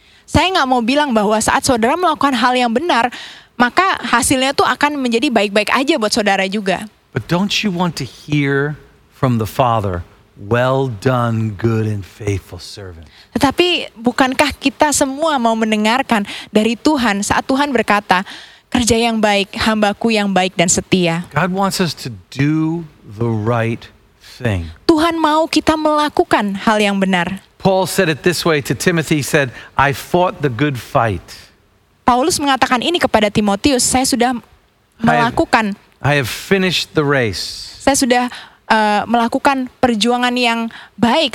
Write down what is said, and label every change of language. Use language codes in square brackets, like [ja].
[id] Saya nggak mau bilang bahwa saat saudara melakukan hal yang benar, maka hasilnya itu akan menjadi baik-baik aja buat saudara juga. [en] But don't you want to hear from the Father, well done, good and faithful servant? [id] Tetapi bukankah kita semua mau mendengarkan dari Tuhan saat Tuhan berkata, kerja yang baik, hambaku yang baik dan setia. [en] God wants us to do the right thing. [id] Tuhan mau kita melakukan hal yang benar. [en] Paul said it this way to Timothy, he said, I fought the good fight. [id] Paulus mengatakan ini kepada Timotius, saya sudah melakukan. [en] I have finished the race. [id] Saya sudah melakukan perjuangan yang baik.